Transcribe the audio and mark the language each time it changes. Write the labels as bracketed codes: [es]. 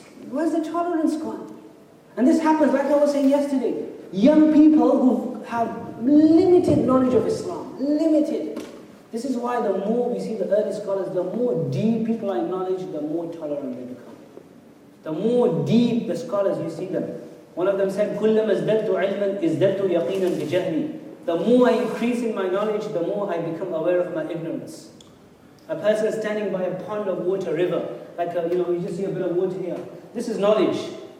[en] Where's the tolerance gone? And this happens, like I was saying yesterday, young people who have limited knowledge of Islam, limited. This is why the more we see the early scholars, the more deep people are in knowledge, the more tolerant they become. The more deep the scholars, you see them. One of them said, [ar] كُلَّمَ ازْدَدْتُ عِلْمًا ازْدَدْتُ يَقِينًا بِجَهْلِي. [en] The more I increase in my knowledge, the more I become aware of my ignorance. A person standing by a pond of water, river, like a, you know, you just see a bit of water here. This is knowledge.